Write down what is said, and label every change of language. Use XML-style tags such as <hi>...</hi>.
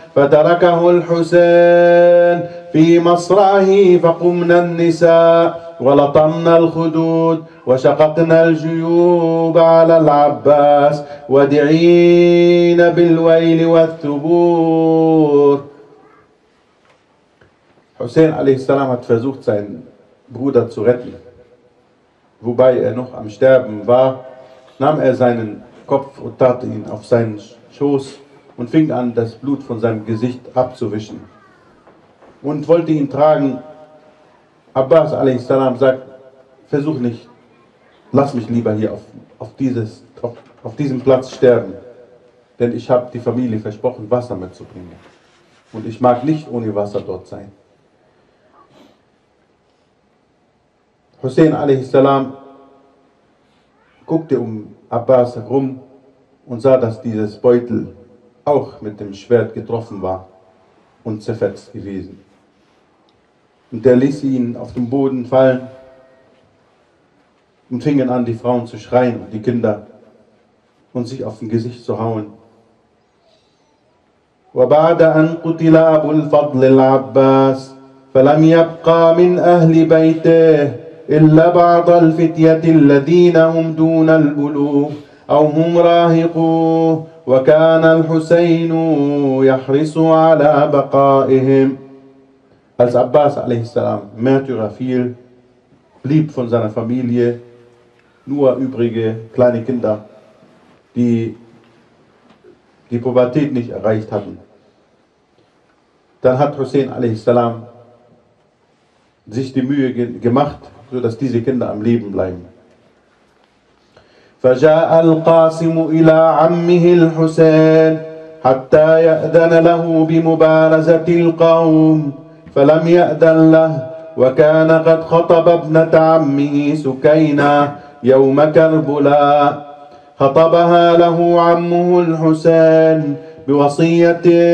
<ar>فتركه الحسين في مصرعه فقمنا النساء ولطمنا الخدود وشققنا الجيوب على العباس ودعين بالويل والثبور.</ar> <de>حسين عليه السلام hat versucht seinen Bruder zu retten, wobei er noch am Sterben war, nahm er seinen Kopf und tat ihn auf seinen Schoß und fing an, das Blut von seinem Gesicht abzuwischen und wollte ihn tragen. Abbas a.s. sagt, versuch nicht, lass mich lieber hier auf diesem Platz sterben, denn ich habe die Familie versprochen, Wasser mitzubringen und ich mag nicht ohne Wasser dort sein. Hussein a.s. guckte um Abbas herum und sah, dass dieses Beutel auch mit dem Schwert getroffen war und zerfetzt gewesen. Und er ließ ihn auf den Boden fallen und fingen an, die Frauen zu schreien und die Kinder und sich auf dem Gesicht zu hauen.</de> <ar>وَبَعْدَ أَنْ قُتِلَ أَبُ الْفَضْلِ الْعَبَّاسِ فَلَمْ يَبْقَى مِنْ أَهْلِ بَيْتِهِ إلا بعض الفتية الذين هم دون البلوغ أو هم راهقوه وكان الحسين يحرص على بقائهم.</ar> <de>Als Abbas عليه السلام Märtyrer fiel, blieb von seiner Familie nur übrige kleine Kinder, die Pubertät nicht erreicht hatten. Dann hat Hussein عليه السلام sich die Mühe gemacht, sodass diese Kinder am Leben bleiben.</de> <ar>فَجَاءَ الْقَاسِمُ إِلَىٰ عَمِّهِ الْحُسَيْنِ حَتَّى يَأْذَنَ لَهُ بِمُبَارَزَةِ الْقَوْمِ فَلَمْ يَأْذَنْ لَهُ وَكَانَ قَدْ خَطَبَ ابْنَةَ عَمِّهِ سُكَيْنَا يَوْمَ كَرْبُلَا خَطَبَهَا لَهُ عَمُّهُ الْحُسَيْنِ بِوَصِيَّةٍ</ar>